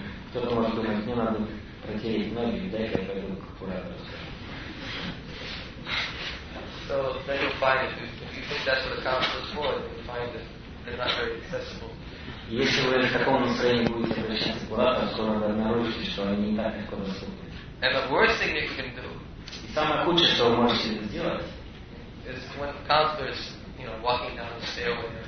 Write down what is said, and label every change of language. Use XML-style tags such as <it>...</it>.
<ru>Кто-то может думать, мне надо протереть ноги, дай я пойду к куратору.</ru> <en>So then you'll find if you think that's what a counselor is for, you'll find that they're not very accessible.</en> <ru>Если вы в таком настроении будете обращаться к куратору, то надо обнаружить, что они не так легко доступны.</ru> <en>And the worst thing you can do.</en> <ru>И самое худшее, что вы можете сделать,</ru> <en>is when the counselor is, you know, walking down the stairway.</en>